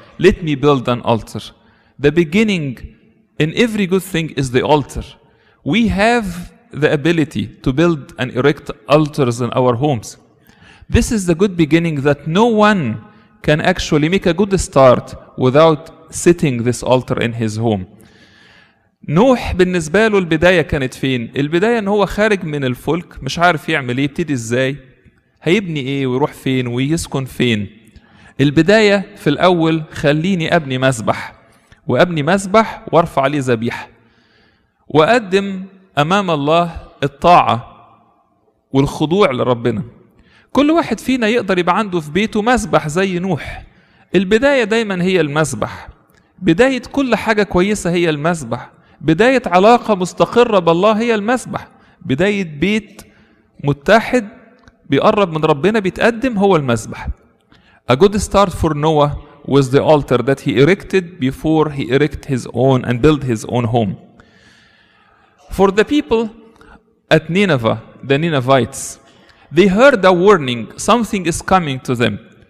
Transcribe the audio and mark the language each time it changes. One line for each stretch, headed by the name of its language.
English: Let me build an altar. The beginning in every good thing is the altar. We have the ability to build and erect altars in our homes. This is the good beginning that no one can actually make a good start without setting this altar in his home.
Arabic: نوح بالنسبة له البداية كانت فين؟ البداية ان هو خارج من الفلك مش عارف يعمل ايه, يبتدي ازاي, هيبني ايه ويروح فين ويسكن فين. البداية في الاول خليني ابني مسبح وابني مسبح وارفع عليه ذبيحة واقدم امام الله الطاعة والخضوع لربنا. كل واحد فينا يقدر يبقى عنده في بيته مسبح زي نوح. البداية دايما هي المسبح. بداية كل حاجة كويسة هي المسبح. بداية علاقة مستقرة بالله هي المسبح. بداية بيت متحد بيقرب من ربنا بيتقدم هو المسبح.
English: A good start for Noah was the altar that he erected before he erected his own and built his own home. For the people at Nineveh, the Ninevites, they heard a warning, something is coming to them.